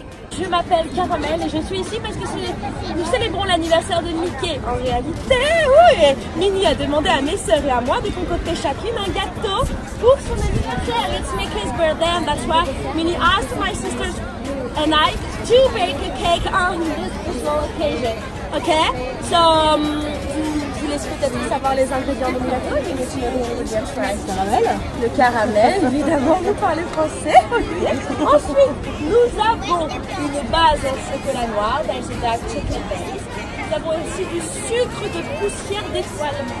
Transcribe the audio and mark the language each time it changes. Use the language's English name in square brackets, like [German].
[French] Je m'appelle Caramel et je suis ici parce que nous célébrons l'anniversaire de Mickey. En réalité, oui. Minnie a demandé à mes sœurs et à moi de concocter chacune un gâteau pour son anniversaire. [English] It's Mickey's birthday and that's why Minnie asked my sisters and I to bake a cake on this special occasion. Ok? So, [French] vous laissez peut-être savoir les ingrédients de mon gâteau. Je vais Le caramel, évidemment, vous parlez français. Ensuite, nous avons une base en chocolat noir, [English] that's a dark chocolate base. [French] Nous avons aussi du sucre de poussière d'étoile.